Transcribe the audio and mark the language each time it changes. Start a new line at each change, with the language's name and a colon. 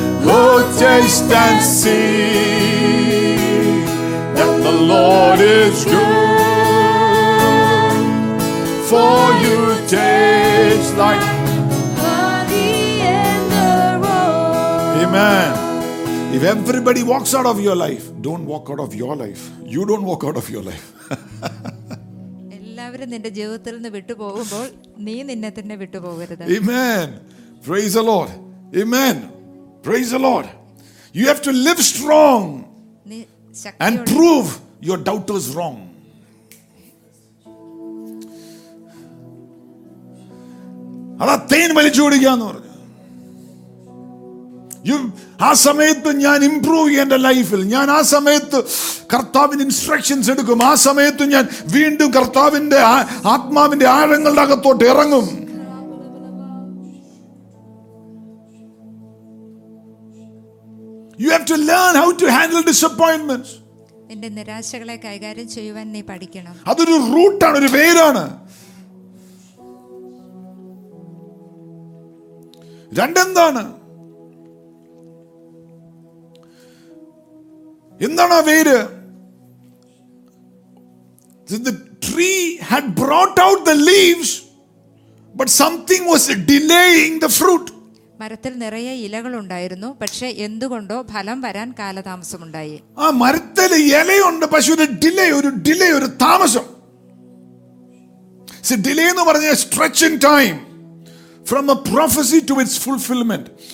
English: Oh, taste and see that the Lord is good, for you taste like honey in the rock. Amen. If everybody walks out of your life, don't walk out of your life. You don't walk out of your life.
Malayalam: നിന്റെ ജീവിതത്തിൽ നിന്ന് വിട്ടുപോകുമ്പോൾ നീ നിന്നെ തന്നെ വിട്ടുപോകരുത്.
English: ആമേൻ. Praise the Lord. ആമേൻ. Praise the Lord. You have to live strong and prove your doubters wrong.
Malayalam: അതാ തേൻ വലിച്ചു കുടിക്കുക എന്ന് പറഞ്ഞു. ആ സമയത്ത് ഞാൻ ഇംപ്രൂവ് ചെയ്യും എന്റെ ലൈഫിൽ. ഞാൻ ആ സമയത്ത് കർത്താവിന് ഇൻസ്ട്രക്ഷൻസ് എടുക്കും. ആ സമയത്ത് ഞാൻ വീണ്ടും കർത്താവിന്റെ ആത്മാവിന്റെ ആഴങ്ങളുടെ അകത്തോട്ട് ഇറങ്ങും.
English: You have to learn how to handle disappointments.
Malayalam: എന്റെ നിരാശകളെ കൈകാര്യം ചെയ്യാൻ നീ പഠിക്കണം. അതൊരു റൂട്ടാണ്, ഒരു വേരാണ്. രണ്ടെന്താണ്, എന്താണ് ആ വേര്?
English: The tree had brought out the leaves, but something was delaying the fruit.
Malayalam: മരത്തിൽ നിറയെ ഇലകൾ ഉണ്ടായിരുന്നു, പക്ഷെ എന്തുകൊണ്ടോ ഫലം വരാൻ കാലതാമസമുണ്ടായി. ആ മരത്തിൽ ഇലയുണ്ട്, പക്ഷെ ഒരു ഡിലേ, ഒരു ഡിലേ, ഒരു താമസം.
English: see delay
Malayalam: എന്ന് പറഞ്ഞാൽ
English: Stretch in time from a prophecy to its fulfilment.